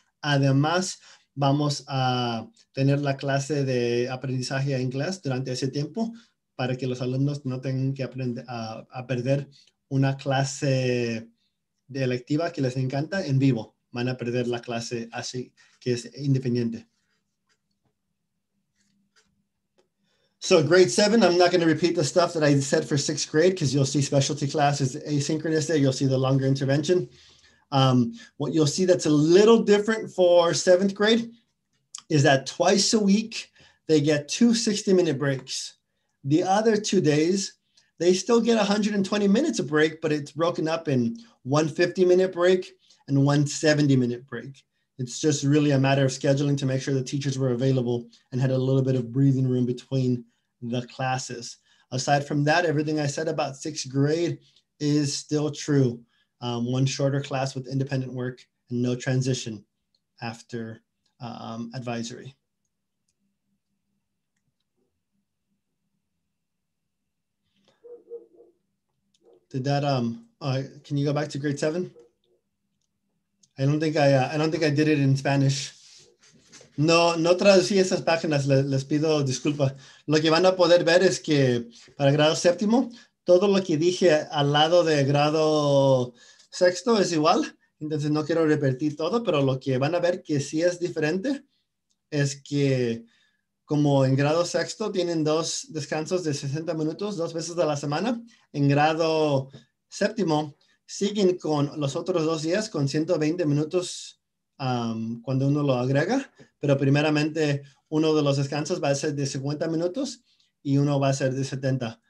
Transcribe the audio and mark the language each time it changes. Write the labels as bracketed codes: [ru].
[es] Además, vamos a tener la clase de aprendizaje en inglés durante ese tiempo para que los alumnos no tengan que perder una clase de electiva que les encanta en vivo. Van a perder la clase así que es independiente. [en] So grade 7, I'm not going to repeat the stuff that I said for 6th grade because you'll see specialty classes asynchronous there. You'll see the longer intervention. What you'll see that's a little different for 7th grade is that twice a week, they get two 60-minute breaks. The other 2 days, they still get 120 minutes of break, but it's broken up in one 50-minute break and one 70-minute break. It's just really a matter of scheduling to make sure the teachers were available and had a little bit of breathing room between the classes. Aside from that, everything I said about 6th grade is still true. One shorter class with independent work and no transition after advisory. Can you go back to grade 7? I don't think I did it in Spanish. [es] No traducí esas páginas, les pido disculpa. Lo que van a poder ver es que para grado séptimo, todo lo que dije al lado de grado sexto es igual. Entonces no quiero repetir todo, pero lo que van a ver que sí es diferente es que como en grado sexto tienen dos descansos de 60 minutos, 2 veces a la semana, en grado séptimo siguen con los otros 2 días con 120 minutos cuando uno lo agrega, pero primeramente uno de los descansos va a ser de 50 minutos y uno va a ser de 70.